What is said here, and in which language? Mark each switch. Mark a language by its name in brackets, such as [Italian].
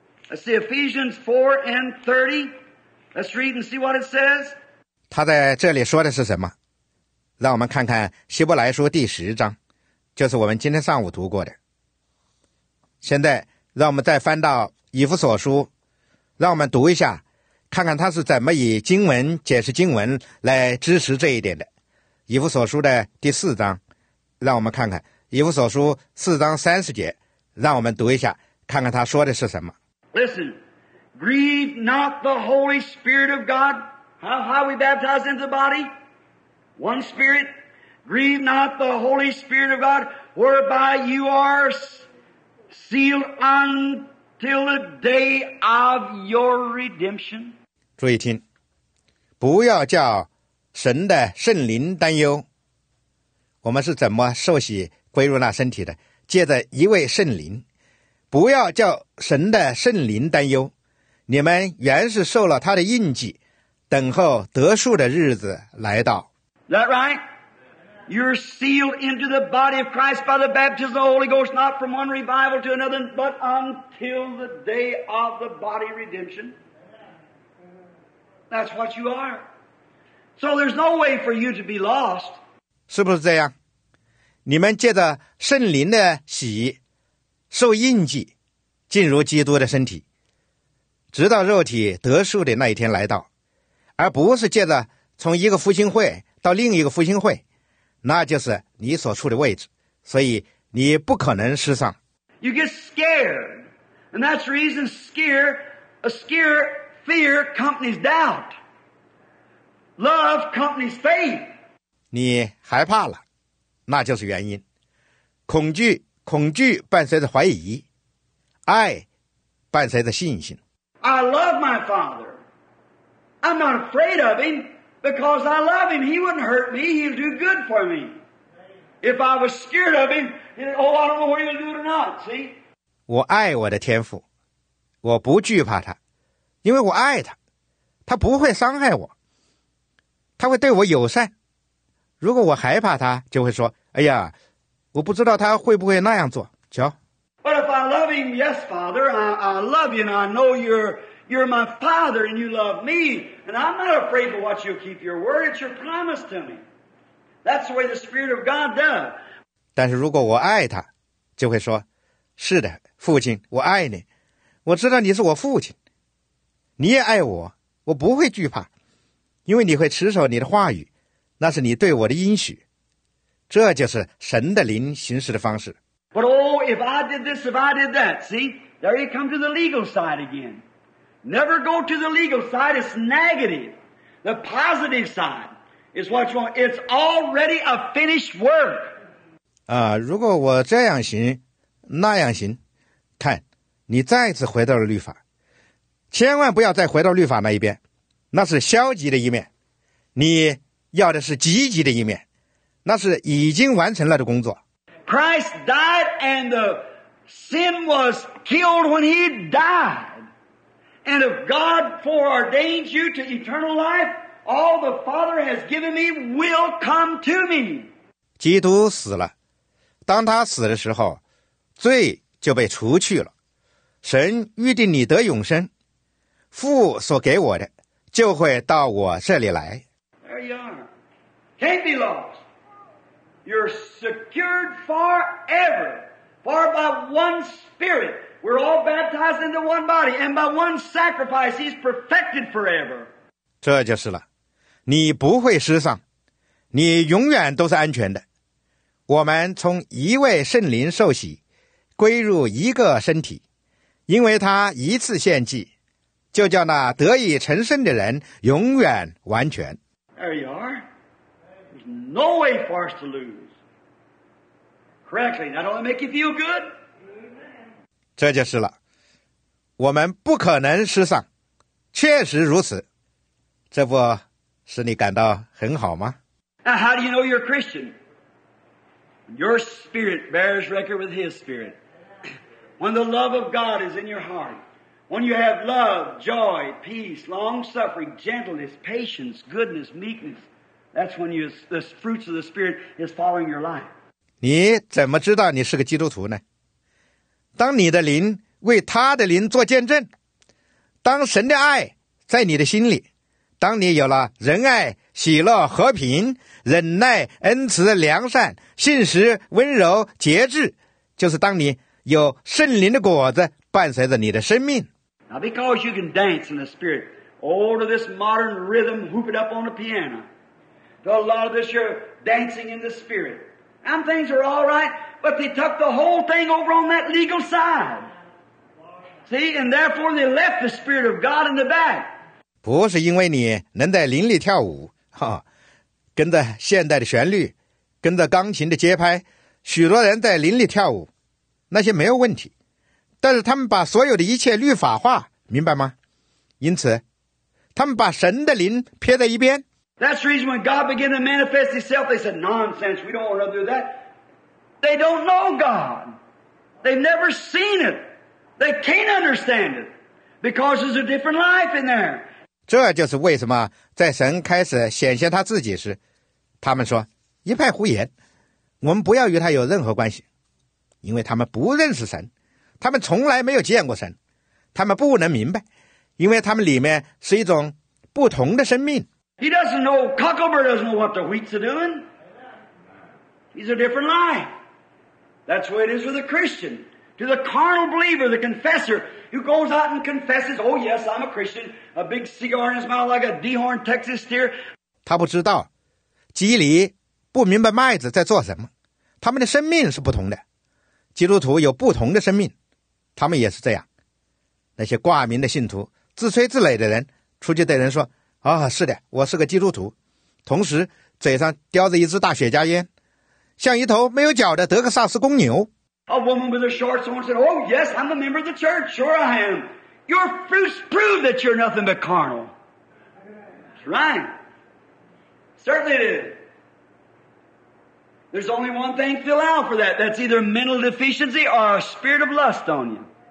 [English] Let's see, Ephesians 4:30. Let's read and see what it says. [Chinese] 他在这里说的是什么？让我们看看希伯来书第十章，就是我们今天上午读过的。现在让我们再翻到以弗所书，让我们读一下，看看他是怎么以经文解释经文来支持这一点的。以弗所书的第四章，让我们看看以弗所书四章三十节，让我们读一下，看看他说的是什么。 [English] Listen, grieve not the Holy Spirit of God. How we baptize into the body? One Spirit. Grieve not the Holy Spirit of God, whereby you are sealed until the day of your redemption. [Chinese] 注意听，不要叫神的圣灵担忧。我们是怎么受洗归入那身体的？借着一位圣灵。不要叫神的圣灵担忧，你们原是受了他的印记，等候得赎的日子来到。 [English] Is that right? You're sealed into the body of Christ by the baptism of the Holy Ghost, not from one revival to another, but until the day of the body redemption. That's what you are. So there's no way for you to be lost. [Chinese] 是不是这样？你们借着圣灵的洗受印记进入基督的身体，直到肉体得赎的那一天来到，而不是借着从一个复兴会到另一个复兴会，那就是你所处的位置，所以你不可能失丧。 [English] You get scared, and that's the reason scare, fear accompanies doubt. Love accompanies faith. [Chinese] 你害怕了，那就是原因。恐惧伴随着怀疑，爱伴随着信心。 [English] I love my father. I'm not afraid of him because I love him. He wouldn't hurt me. He'll do good for me. If I was scared of him, oh, I don't know what he'll do or not. See? [Chinese] 我爱我的天父，我不惧怕他，因为我爱他，他不会伤害我，他会对我友善。如果我害怕他，就会说：“哎呀。” 我不知道他会不会那样做，瞧。 [English] But if I love him, yes, Father, I love you, and I know you're my Father, and you love me, and I'm not afraid to watch you keep your word. It's your promise to me. That's the way the Spirit of God does. [Chinese] 但是如果我爱他，就会说，是的，父亲，我爱你，我知道你是我父亲，你也爱我，我不会惧怕，因为你会持守你的话语，那是你对我的应许。这就是神的灵行事的方式。 [English] But oh, if I did this, if I did that, see, there you come to the legal side again. Never go to the legal side, it's negative. The positive side is what you want. It's already a finished work. [Chinese] 如果我这样行，那样行，看，你再次回到了律法。千万不要再回到律法那一边，那是消极的一面。你要的是积极的一面。那是已经完成了的工作。 [English] Christ died and the sin was killed when he died. And if God foreordains you to eternal life, all the Father has given me will come to me. [Chinese] 基督死了，当他死的时候，罪就被除去了。神预定你得永生，父所给我的就会到我这里来。 [English] There you are. Can't be lost. You're secured forever, for by one Spirit we're all baptized into one body, and by one sacrifice He's perfected forever. [Chinese] 这就是了，你不会失丧，你永远都是安全的。我们从一位圣灵受洗，归入一个身体，因为他一次献祭，就叫那得以成圣的人永远完全。 [English] There you are. No way for us to lose. Correctly, not only make you feel good. [Chinese] 这就是了，我们不可能失丧，确实如此，这不使你感到很好吗？ [English] Now, how do you know you're a Christian? Your spirit bears record with His spirit. When the love of God is in your heart, when you have love, joy, peace, long-suffering, gentleness, patience, goodness, meekness. That's when you, the fruits of the Spirit is following your life. [Chinese] 你怎么知道你是个基督徒呢？当你的灵为他的灵做见证，当神的爱在你的心里，当你有了仁爱、喜乐、和平、忍耐、恩慈、良善、信实、温柔、节制，就是当你有圣灵的果子伴随着你的生命。 [English] Now because you can dance in the spirit, all of this modern rhythm, whoop it up on the piano, a lot of this you're dancing in the spirit. And things are all right, but they took the whole thing over on that legal side. See, and therefore they left the spirit of God in the back. [Chinese] 不是因为你能在灵里跳舞，哈，跟着现代的旋律，跟着钢琴的节拍，许多人在灵里跳舞，那些没有问题。但是他们把所有的一切律法化，明白吗？因此，他们把神的灵撇在一边。 [English] That's the reason when God began to manifest Himself, they said, nonsense, we don't want to do that. They don't know God. They've never seen it. They can't understand it. Because there's a different life in there. [Chinese] 这就是为什么在神开始显现他自己时，他们说，一派胡言，我们不要与他有任何关系，因为他们不认识神。他们从来没有见过神，他们不能明白，因为他们里面是一种不同的生命。 [English] He doesn't know, Cockleburr doesn't know what the wheat's doing. He's a different life. That's the way it is with a Christian. To the carnal believer, the confessor, who goes out and confesses, oh yes, I'm a Christian, a big cigar in his mouth like a dehorned Texas steer. [Chinese] 他不知道，鸡犁不明白麦子在做什么，他们的生命是不同的。基督徒有不同的生命，他们也是这样。那些挂名的信徒，自吹自擂的人，出去对人说，啊、哦，是的，我是个基督徒，同时嘴上叼着一支大雪茄烟，像一头没有脚的德克萨斯公牛。 [English] A woman with a short sword said, "Oh yes, I'm a member of the church. Sure I am. Your fruits prove that you're nothing but carnal. That's right. Certainly it is. There's only one thing to allow for that. That's either mental deficiency or a spirit of lust on you.